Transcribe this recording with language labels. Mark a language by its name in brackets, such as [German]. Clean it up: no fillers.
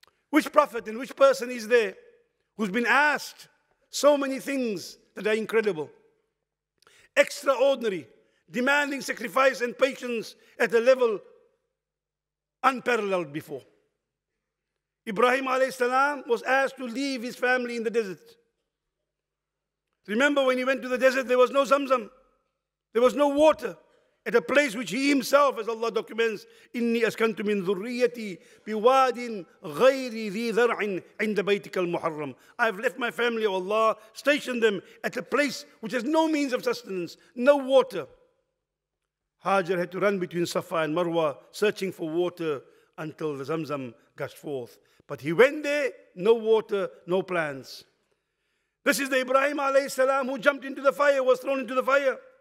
[English] Which prophet and which person is there who's been asked so many things that are incredible, extraordinary, demanding sacrifice and patience at a level unparalleled before? Ibrahim alayhi salam was asked to leave his family in the desert. Remember, when he went to the desert, there was no zamzam, there was no water. At a place which he himself, as Allah documents, [Arabic] إِنِّي أَسْكَنْتُ مِنْ ذُرِّيَّتِي بِوَادٍ غَيْرِ ذِي ذَرْعٍ عِنْدَ بَيْتِكَ الْمُحَرَّمِ. [English] I have left my family, O Allah, stationed them at a place which has no means of sustenance, no water. Hajar had to run between Safa and Marwa, searching for water until the Zamzam gushed forth. But he went there, no water, no plants. This is the Ibrahim alayhi salam who jumped into the fire, was thrown into the fire.